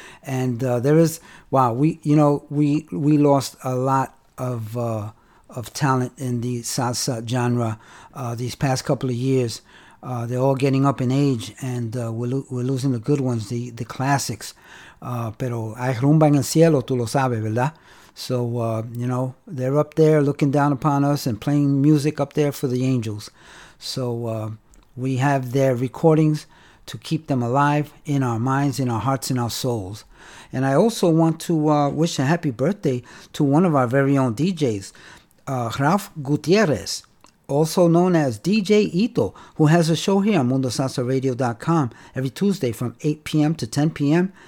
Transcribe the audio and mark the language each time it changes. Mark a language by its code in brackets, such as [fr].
[en] And there is, wow, we lost a lot of talent in the salsa genre these past couple of years. They're all getting up in age, and we're losing the good ones, the classics. [es] Pero hay rumba en el cielo, tú lo sabes, ¿verdad? [en] So, you know, they're up there looking down upon us and playing music up there for the angels. So we have their recordings to keep them alive in our minds, in our hearts, in our souls. And I also want to wish a happy birthday to one of our very own DJs, Ralph Gutierrez, also known as DJ Ito, who has a show here on MundoSalsaRadio.com every Tuesday from 8 p.m. to 10 p.m.